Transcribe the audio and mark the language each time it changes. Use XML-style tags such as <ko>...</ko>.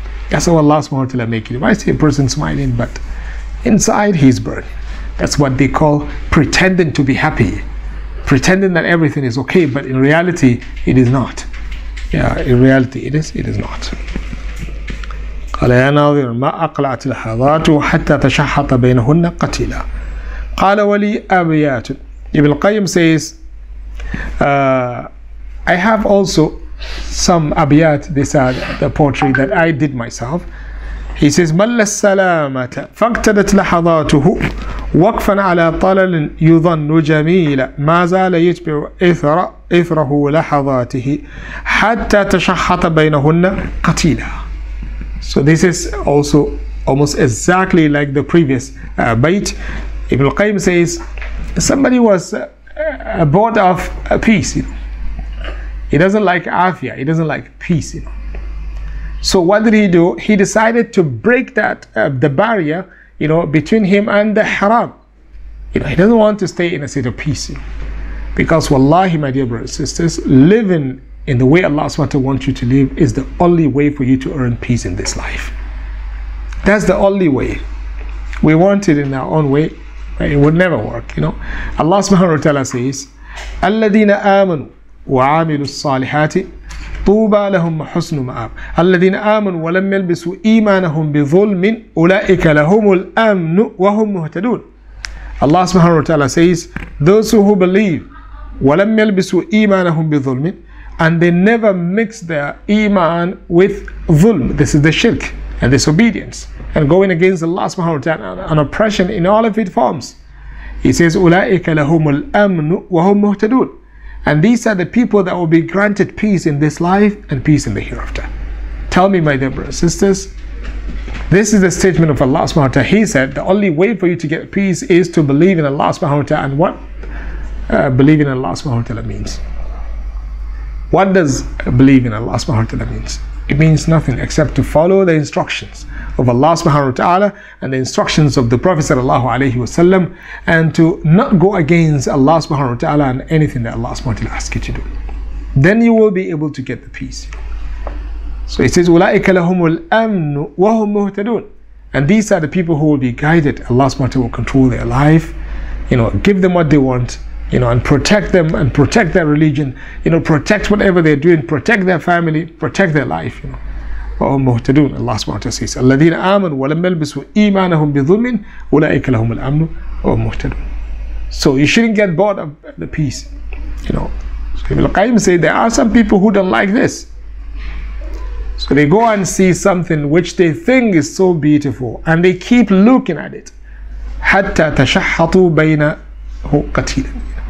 <en>That's how Allah subhanahu wa ta'ala make it. If I see a person smiling, but inside he's burning. That's what they call pretending to be happy. Pretending that everything is okay, but in reality, it is not. Yeah, in reality, it is not.</en> <ar>قال يا ناظر ما أقلعت لحظات حتى تشحط بينهن قتيلا قال ولي أبيات.</ar> <en>Ibn Al-Qayyim says, I have also some abiyat, these are the poetry that I did myself. He says,</en> <ar>مل السلامة فاقتدت لحظاته وقفا على طلل يظن جميلا ما زال يتبع إثره لحظاته حتى تشحط بينهن قتيلا.</ar> <en>So this is also almost exactly like the previous bait. Ibn Al-Qayyim says, somebody was bored of peace. You know? He doesn't like afia, he doesn't like peace. You know? So what did he do? He decided to break that the barrier, you know, between him and the haram. You know, he doesn't want to stay in a state of peace. You know? Because wallahi, my dear brothers and sisters, living in the way Allah SWT wants you to live is the only way for you to earn peace in this life. That's the only way. We want it in our own way, but it would never work, you know. Allah subhanahu wa ta'ala says,</en> <ar>الَّذِينَ آمَنُوا وَعَامِلُوا الصَّالِحَاتِ طُوبَى لَهُمْ حُسْنُ مَآبٍ الَّذِينَ آمَنُوا وَلَمْ يَلْبِسُوا إِيمَانَهُمْ بِظُلْمٍ أُولَئِكَ لَهُمُ الْأَمْنُ وَهُمْ مُهْتَدُونَ.</ar> <en>Allah subhanahu wa ta'ala says, those who believe</en> <ar>وَلَمْ يَلْبِسُوا إِيمَانَهُمْ بِظُلْمٍ,</ar> <en>and they never mix their iman with dhulm. This is the shirk and disobedience and going against Allah subhanahu wa ta'ala and oppression in all of its forms. He says,</en> <ar>أُولَٰئِكَ لَهُمُ الْأَمْنُ وَهُمْ مُهْتَدُونَ.</ar> <en>And these are the people that will be granted peace in this life and peace in the hereafter. Tell me, my dear brothers and sisters, this is the statement of Allah subhanahu wa ta'ala. He said, the only way for you to get peace is to believe in Allah subhanahu wa ta'ala. And what believing in Allah subhanahu wa ta'ala means? What does believe in Allah subhanahu wa ta'ala means? It means nothing except to follow the instructions of Allah subhanahu wa ta'ala and the instructions of the Prophet sallallahu alayhi wa sallam, and to not go against Allah subhanahu wa ta'ala and anything that Allah subhanahu wa ta'ala asks you to do. Then you will be able to get the peace. So it says,</en> <ar>أُولَٰئِكَ لَهُمُ الْأَمْنُ وَهُمْ مُهْتَدُونَ.</ar> <en>And these are the people who will be guided. Allah subhanahu wa ta'ala will control their life, you know, give them what they want, you know, and protect them and protect their religion, you know, protect whatever they're doing, protect their family, protect their life, you know.</en> <ar>وَهُمْ مُهْتَدُونَ.</ar> <en>Allah subhanahu wa ta'ala says,</en> <ar>الَّذِينَ آمَنُوا وَلَمْ يَلْبِسُوا إِيمَانَهُمْ بِظُلْمٍ أُولَٰئِكَ لَهُمُ الْأَمْنُ وَهُمْ مُهْتَدُونَ.</ar> <en>So you shouldn't get bored of the peace, you know. So Ibn Al-Qayyim said, there are some people who don't like this. So they go and see something which they think is so beautiful and they keep looking at it.</en> <ar>حَتَّى تَشَحَّطُوا بَيْنَ قَتِيلًا.</ar>